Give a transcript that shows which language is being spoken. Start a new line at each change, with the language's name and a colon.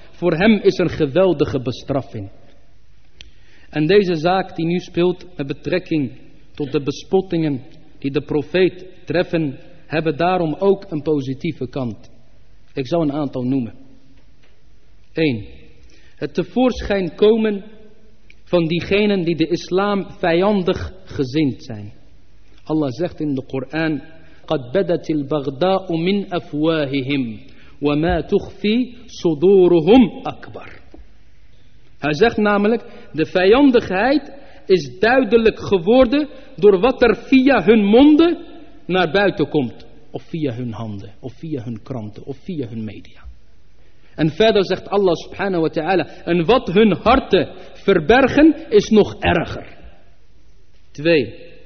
Dutch: voor hem is een geweldige bestraffing. En deze zaak die nu speelt met betrekking tot de bespottingen die de profeet treffen, hebben daarom ook een positieve kant. Ik zal een aantal noemen. 1. Het tevoorschijn komen van diegenen die de islam vijandig gezind zijn. Allah zegt in de Koran:
Arabic: قَدْ بَدَتِ الْبَغْدَاءُ مِنْ أَفْوَاهِهِمْ وَمَا تُخْفِي صُدُورُهُمْ أَكْبَرُ.
Dutch: Hij zegt namelijk: de vijandigheid is duidelijk geworden door wat er via hun monden naar buiten komt. Of via hun handen, of via hun kranten, of via hun media. En verder zegt Allah subhanahu wa ta'ala: en wat hun harten verbergen is nog erger. 2.